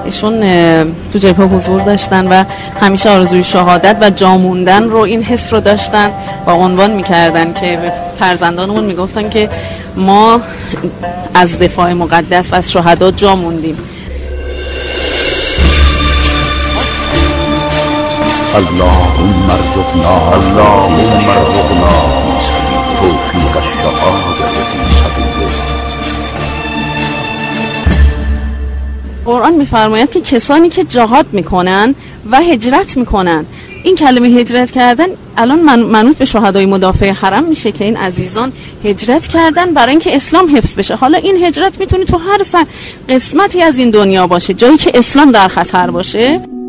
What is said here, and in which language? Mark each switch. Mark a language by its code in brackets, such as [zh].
[fa] ایشون تو جبهه حضور داشتن و همیشه آرزوی شهادت و جاموندن رو، این حس رو داشتن و عنوان میکردن که به فرزندانمون میگفتن که ما از دفاع مقدس و از شهدا جاموندیم. [ar] اللهم ارزقنا اللهم ارزقنا توفیق الشهادة. [fa] قرآن میفرماید که کسانی که جهاد میکنن و هجرت میکنن، این کلمه هجرت کردن الان منوط به شهدای مدافع حرم میشه که این عزیزان هجرت کردن برای اینکه اسلام حفظ بشه. حالا این هجرت میتونه تو هر قسمتی از این دنیا باشه، جایی که اسلام در خطر باشه.